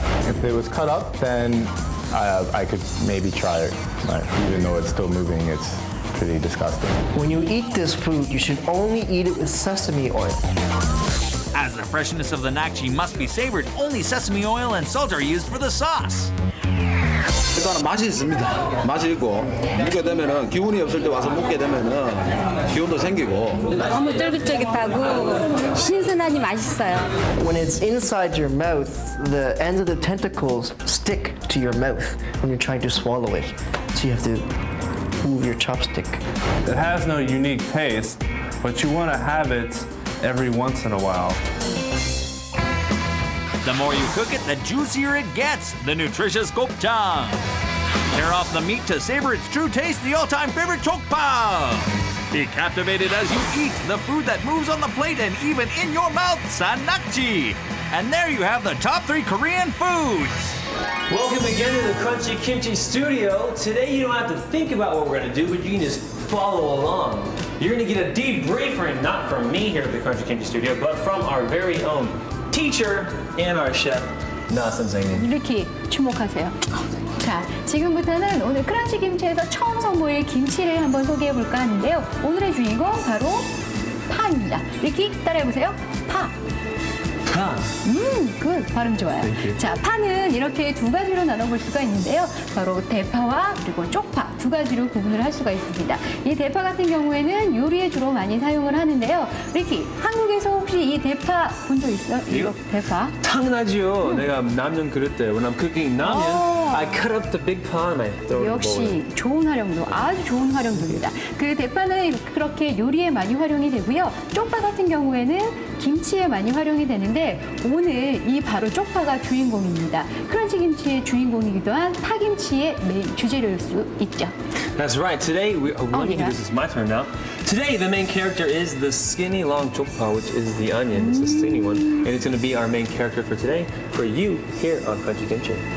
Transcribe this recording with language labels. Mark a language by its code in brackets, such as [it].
[en] If it was cut up, then I could maybe try it. Even though it's still moving, it's pretty disgusting. When you eat this food, you should only eat it with sesame oil. As the freshness of the nakji must be savored, only sesame oil and salt are used for the sauce. [ko] 일단은 맛이 있습니다. 맛이 있고 먹게 되면은 기운이 없을 때 와서 먹게 되면은 기운도 생기고. 너무 쫄깃쫄깃하고 신선하니 맛있어요. [en] When it's inside your mouth, the ends of the tentacles stick to your mouth when you're trying to swallow it. So you have to move your chopstick. It has no unique taste, but you want to have it every once in a while. The more you cook it, the juicier it gets, the nutritious gopchang. Tear off the meat to savor its true taste, the all-time favorite chokpal. Be captivated as you eat the food that moves on the plate and even in your mouth, sangnakji. And there you have the top three Korean foods. Welcome again to the Crunchy Kimchi Studio. Today you don't have to think about what we're going to do, but you can just follow along. You're going to get a debriefing, not from me here at the Crunchy Kimchi Studio, but from our very own teacher and our chef, Nasim Zengin. [ko] 이렇게 주목하세요. 자, 지금부터는 오늘 크런치 김치에서 처음 선보일 김치를 한번 소개해 볼까 하는데요. 오늘의 주인공 바로 파 파입니다. 리키 따라해보세요. 파. 파. 굿. 발음 좋아요. 자, 파는 이렇게 두 가지로 나눠볼 수가 있는데요. 바로 대파와 그리고 쪽파 두 가지로 구분을 할 수가 있습니다. 이 대파 같은 경우에는 요리에 주로 많이 사용을 하는데요. 리키, 한국에서 혹시 이 대파 본 적 있어? 이거 대파. 당연하죠. 내가 남는 그럴 때 [en] when I'm cooking [ko] 나면 [en] I cut up the big pot and I throw it away. [ko] 역시 좋은 활용도, 아주 좋은 활용도입니다. 그 대파는 그렇게 요리에 많이 활용이 되고요. 쪽파 같은 경우에는 김치에 많이 활용이 되는데 오늘 이 바로 쪽파가 주인공입니다. 크런치 김치의 주인공이기도 한 파김치의 메인 주재료일 수 있죠. [en] That's right. Today we are going to do this. It's my turn now. Today the main character is the skinny long cheokpa, which is the onion. It's a skinny one, and it's going to be our main character for today for you here on Crunchy Kimchi.